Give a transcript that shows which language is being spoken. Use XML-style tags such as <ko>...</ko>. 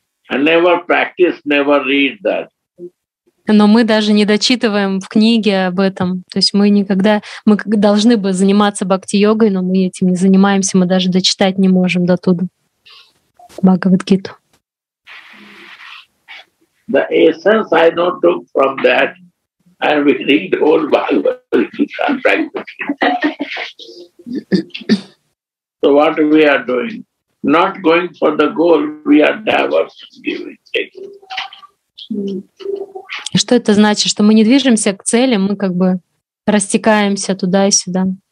<en>I never practice, never read that.</en> <ru>Но мы даже не дочитываем в книге об этом. То есть мы никогда, мы должны бы заниматься бхакти-йогой, но мы этим не занимаемся, мы даже дочитать не можем до туда. Бхагавад-гиту.</ru> <en>The essence I don't took from that, and we read whole Bhagavad-gita. So what we are doing? Not going for the goal, we are diversifying.</en> <ru>Что это значит? Что мы не движемся к цели, мы как бы растекаемся туда и сюда.</ru>